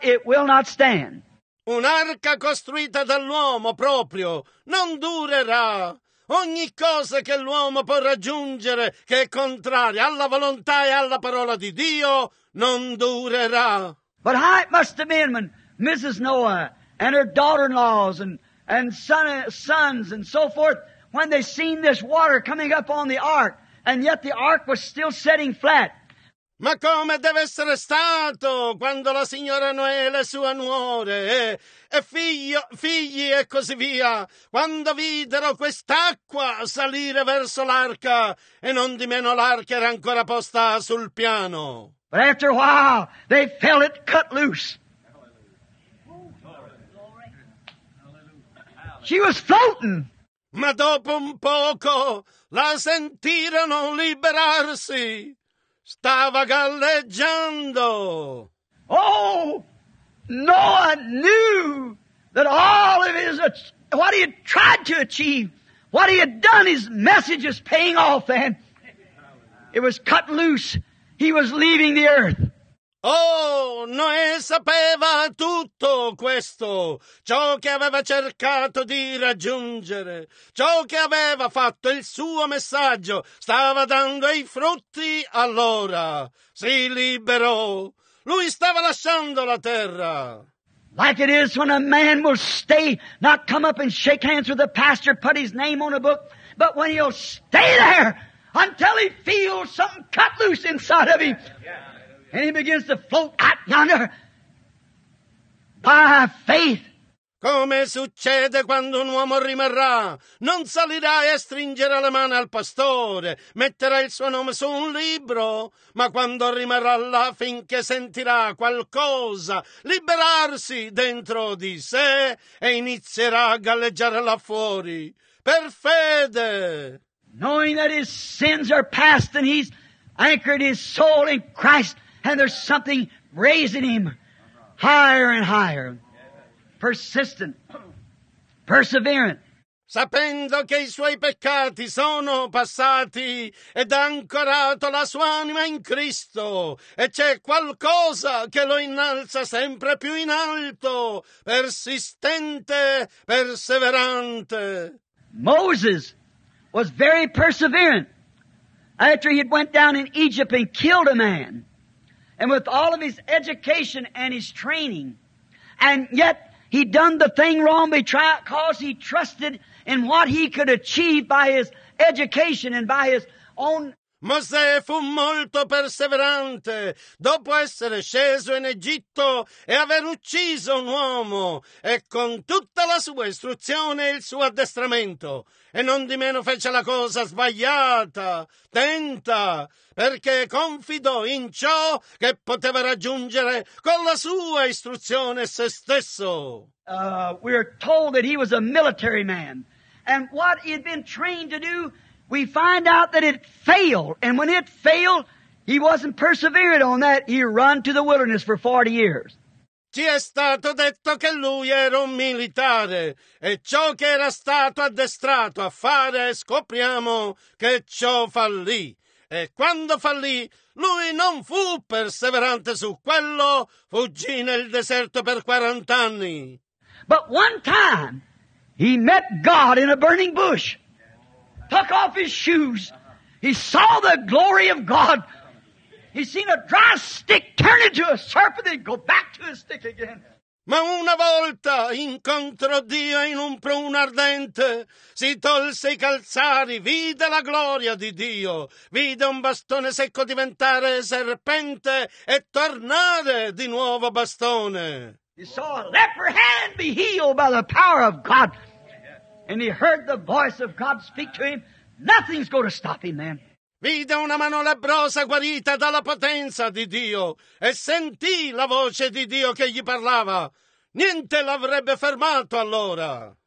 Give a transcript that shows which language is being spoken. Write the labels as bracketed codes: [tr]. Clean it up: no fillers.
[en] It will not stand. [it] Un'arca costruita dall'uomo proprio non durerà. Ogni cosa che l'uomo può raggiungere che è contraria alla volontà e alla parola di Dio non durerà. [en] But how it must have been when Mrs. Noah and her daughter-in-laws and sons and so forth, when they seen this water coming up on the ark, and yet the ark was still sitting flat. [it] Ma come deve essere stato quando la signora Noè e le sue nuore e figli e così via, quando videro quest'acqua salire verso l'arca e non di meno l'arca era ancora posta sul piano. [en] But after a while, they felt it cut loose. She was floating. [it] Ma dopo un poco la sentirono liberarsi. Stava galleggiando. [en] Oh, Noah knew that all of his, what he had tried to achieve, what he had done, his message is paying off, and it was cut loose. He was leaving the earth. [it] Oh, Noè sapeva tutto questo, ciò che aveva cercato di raggiungere, ciò che aveva fatto, il suo messaggio, stava dando i frutti allora. Si liberò. Lui stava lasciando la terra. [en] Like it is when a man will stay, not come up and shake hands with the pastor, put his name on a book, but when he'll stay there until he feels something cut loose inside of him. And he begins to float out yonder by faith. [it] Come succede quando un uomo rimarrà? Non salirà e stringerà la mano al pastore, metterà il suo nome su un libro, ma quando rimarrà là finché sentirà qualcosa liberarsi dentro di sé e inizierà a galleggiare là fuori per fede. [en] Knowing that his sins are past and he's anchored his soul in Christ. And there's something raising him higher and higher. Persistent. Perseverant. [it] Sapendo che i suoi peccati sono passati ed ha ancorato la sua anima in Cristo. E c'è qualcosa che lo innalza sempre più in alto. Persistente, perseverante. [en] Moses was very perseverant after he had went down in Egypt and killed a man. And with all of his education and his training, and yet he done the thing wrong because he trusted in what he could achieve by his education and by his own. [it] Mosè fu molto perseverante dopo essere sceso in Egitto e aver ucciso un uomo e con tutta la sua istruzione e il suo addestramento. E non di meno fece la cosa sbagliata, tenta, perché confidò in ciò che poteva raggiungere con la sua istruzione se stesso. [en] We are told that he was a military man, and what he had been trained to do, we find out that it failed, and when it failed, he wasn't persevered on that. He ran to the wilderness for 40 years. [it] Ci è stato detto che lui era un militare e ciò che era stato addestrato a fare scopriamo che ciò fallì. E quando fallì, lui non fu perseverante su quello, fuggì nel deserto per 40 anni. [en] But one time he met God in a burning bush, took off his shoes, he saw the glory of God. He seen a dry stick turn into a serpent and go back to the stick again. [it] Ma una volta incontrò Dio in un pruno ardente, si tolse i calzari, vide la gloria di Dio, vide un bastone secco diventare serpente e tornare di nuovo bastone. [en] He saw a leper hand be healed by the power of God, and he heard the voice of God speak to him. Nothing's going to stop him then. [it] Vide una mano lebbrosa guarita dalla potenza di Dio e sentì la voce di Dio che gli parlava. Niente l'avrebbe fermato allora.